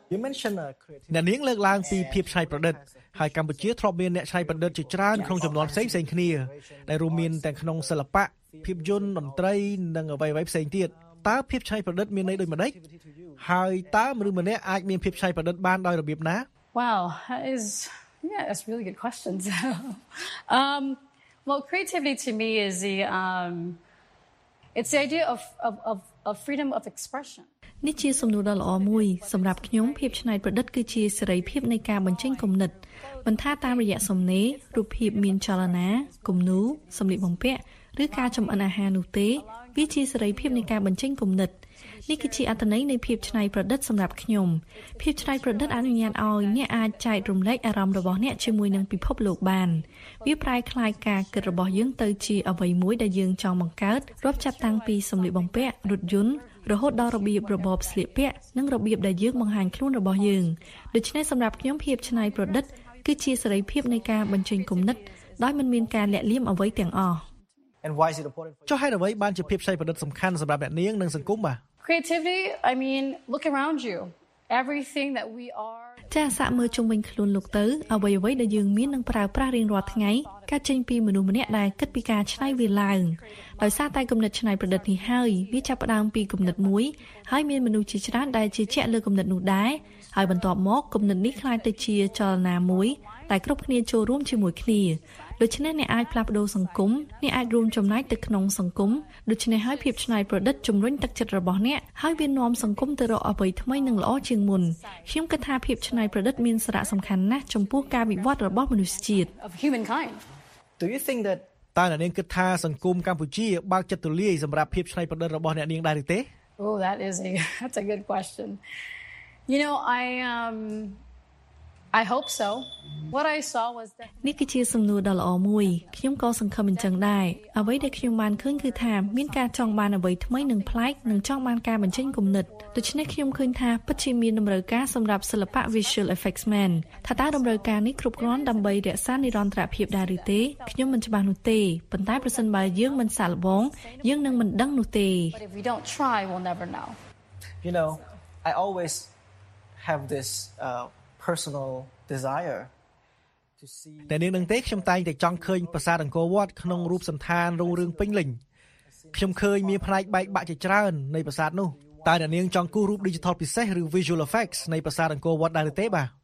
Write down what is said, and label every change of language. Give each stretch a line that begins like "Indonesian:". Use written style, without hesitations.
English: You mentioned a creative
Khmer: និងលើកឡើងពីភាពឆៃប្រឌិតហើយកម្ពុជាធ្លាប់មានអ្នកឆៃប្រឌិតជាច្រើនក្នុងចំនួនផ្សេងផ្សេងគ្នាដែលរួមមានទាំងក្នុងសិល្បៈភាពយន្តតន្ត្រីនិងអ្វីៗផ្សេងទៀតតើភាពឆៃប្រឌិតមានន័យដូចម្តេចហើយតើមនុស្សម្នាក់អាចមានភាពឆៃប្រឌិតបានដោយរបៀបណា
English: Wow, that isYeah, that's really good questions. well, creativity to me is the it's the idea of freedom of expression.
Khmer: នេះជាសំណួរដ៏ល្អមួយសម្រាប់ខ្ញុំភាពច្នៃប្រឌិតគឺជាសេរីភាពនៃការបញ្ចេញគំនិតមិនថាតាមរយៈសំនេររូបភាពមានចលនាគំនូរសំលៀកបំពាក់ឬការចំអិនអាហារនោះទេវាជាសេរីភាពនៃការបញ្ចេញគំនិតនេះគឺជាអត្ថន័យនៃភាពច្នៃប្រឌិតសម្រាប់ខ្ញុំភាពច្នៃប្រឌិតអនុញ្ញាតឲ្យអ្នកអាចចែករំលែកអារម្មណ៍របស់អ្នកជាមួយនឹងពិភពលោកបាន វាប្រែក្លាយការគិតរបស់យើងទៅជាអ្វីមួយដែលយើងចង់បង្កើតរាប់ចាប់តាំងពីសម្លៀកបំពាក់រថយន្តរហូតដល់របៀបរបបស្លៀកពាក់និងរបៀបដែលយើងបង្ហាញខ្លួនរបស់យើងដូច្នេះសម្រាប់ខ្ញុំភាពច្នៃប្រឌិតគឺជាសេរីភាពនៃការបញ្ចេញគំនិតដោយមិនមានការលាក់លៀមអ្វីទាំងអស់ចុះហេតុអ្វីបានជាភាពច្នៃប្រឌិតសំខាន់សម្រាប់អ្នកនាងនិងសង្គមបាទ
English: Creativity I mean look around you everything that we are
Khmer: តើសាកមើលជុំវិញខ្លួនលោកតើអ្វីៗដែលយើងមាននឹងប្រើប្រាស់រៀងរាល់ថ្ងៃការចេញពីមនុស្សម្នាក់ដែលគិតពីការច្នៃវាឡើងដោយសារតែគំនិតច្នៃប្រឌិតនេះហើយវាចាប់ផ្ដើមពីគំនិតមួយហើយមានមនុស្សជាច្រើនដែលជាជាក់លើគំនិតនោះដែរហើយបន្ទាប់មកគំនិតនេះក្លាយទៅជាចលនាមួយដែលគ្រប់គ្នាចូលរួមជាមួយគ្នា ដូច្នេះអ្នកអាចផ្លាស់ប្ដូរសង្គមអ្នកអាចរួមចំណែកទៅក្នុងសង្គមដូច្នេះហើយភាពច្នៃប្រឌិតជំរុញទឹកចិត្តរបស់អ្នកហើយវានាំសង្គមទៅរកអ្វីថ្មីនិងល្អជាងមុនខ្ញុំគិតថាភាពច្នៃប្រឌិតមានសារៈសំខាន់ណាស់ចំពោះការវិវត្តរបស់មនុស្សជាតិ
English: Do you think that
Khmer: តើអ្នកនាងគិតថាសង្គមកម្ពុជាបើកចិត្តទូលាយសម្រាប់ភាពច្នៃប្រឌិតរបស់អ្នកនាងដែរឬទេ
English: Oh that's a good question You know I hope so. What I saw was that
Khmer: នេះគឺជាសំណួរដ៏ល្អមួយខ្ញុំក៏សង្ឃឹមអញ្ចឹងដែរអ្វីដែលខ្ញុំបានឃើញគឺថាមានការចង់បានអ្វីថ្មីនិងប្លែកនិងចង់បានការបញ្ចេញគំនិតដូច្នេះខ្ញុំឃើញថាពិតជាមានតម្រូវការសម្រាប់សិល្បៈ Visual Effects Man ថាតើតម្រូវការនេះគ្រប់គ្រាន់ដើម្បីរក្សានិរន្តរភាពដែរឬទេខ្ញុំមិនច្បាស់នោះទេប៉ុន្តែប្រសិនបើយើងមិនសាកល្បងយើងនឹងមិនដឹងនោះទេ
English: But if we don't try we'll never know. You know, I always have this personal desire to see
Khmer: តែនឹងនឹងទេខ្ញុំតែងតែចង់ឃើញប្រាសាទអង្គរវត្តក្នុងរូបសន្តានរុងរឿងពេញលេញខ្ញុំឃើញមានផ្នែកបែកបាក់ជាច្រើននៃប្រាសាទនោះតើអ្នកនាងចង់គូររូប Digital ពិសេសឬ Visual Effects នៃប្រាសាទអង្គរវត្តដែរឬទេបាទ